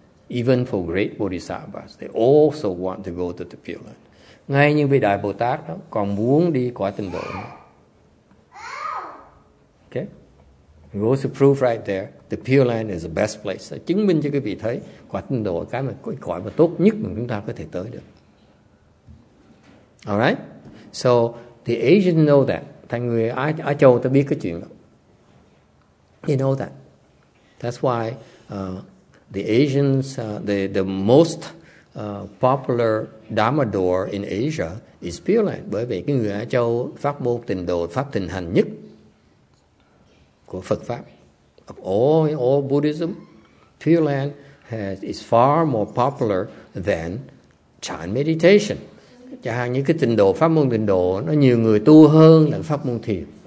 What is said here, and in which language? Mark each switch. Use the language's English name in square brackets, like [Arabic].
[English] Even for great bodhisattvas, they also want to go to the Pure Land. [Vietnamese] Ngay như vị Đại Bồ Tát đó, còn muốn đi quả tịnh độ. Okay? [English] Goes to prove right there, the Pure Land is the best place. [Vietnamese] Chứng minh cho quý vị thấy, quả tịnh độ là cái mà cõi mà tốt nhất mà chúng ta có thể tới được. [English] Alright? So, the Asians know that. [Vietnamese] Thành người Á Châu ta biết cái chuyện đó. [English] They know that. That's why the Asians, the most popular Dharma door in Asia is Pure Land. [Vietnamese] Bởi vì cái người Á Châu pháp môn tịnh độ, pháp thịnh hành nhất của Phật pháp. [English] Of all Buddhism, Pure Land is far more popular than Chan meditation. [Vietnamese] Chẳng hạn như cái tịnh độ, pháp môn tịnh độ nó nhiều người tu hơn là pháp môn thiền.